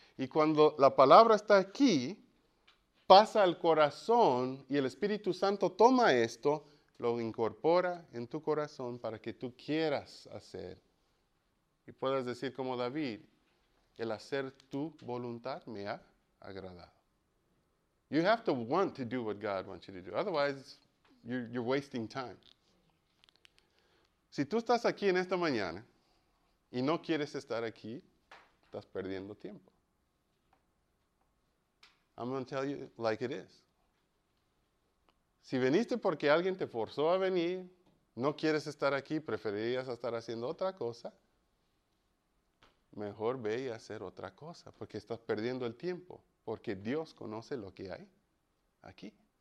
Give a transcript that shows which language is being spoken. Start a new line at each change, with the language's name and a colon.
Spanish: Y cuando la palabra está aquí, pasa al corazón y el Espíritu Santo toma esto, lo incorpora en tu corazón para que tú quieras hacer. Y puedas decir como David, el hacer tu voluntad me ha agradado.
English: You have to want to do what God wants you to do. Otherwise, you're wasting time.
Spanish: Si tú estás aquí en esta mañana, y no quieres estar aquí, estás perdiendo tiempo.
English: I'm going to tell you like it is.
Spanish: Si viniste porque alguien te forzó a venir, no quieres estar aquí, preferirías estar haciendo otra cosa, mejor ve y hacer otra cosa, porque estás perdiendo el tiempo, porque Dios conoce lo que hay aquí.